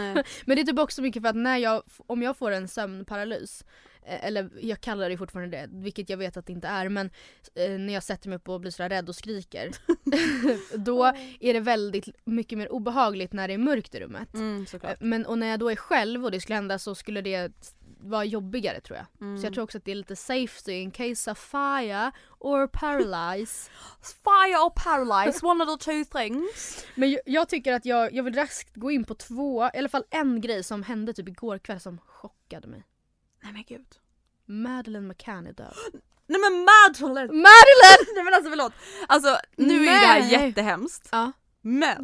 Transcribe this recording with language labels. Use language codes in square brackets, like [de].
[sv] men det är typ också mycket för att när jag, om jag får en sömnparalys eller jag kallar det fortfarande det, vilket jag vet att det inte är, men när jag sätter mig upp och blir så rädd och skriker då är det väldigt mycket mer obehagligt när det är mörkt i rummet. Mm, såklart. Men, och när jag då är själv och det skulle hända så skulle det var jobbigare tror jag. Mm. Så jag tror också att det är lite [en] safety in case of fire or paralyze. Fire or paralyze, one of the two things. [sv] Men jag tycker att jag vill raskt gå in på två, i alla fall en grej som hände typ igår kväll som chockade mig. Nej men gud. Madeleine McCann är död. Nej men Madeleine! Madeleine! Nej men alltså förlåt. Alltså nu men... är det här jättehemskt. Ja. Men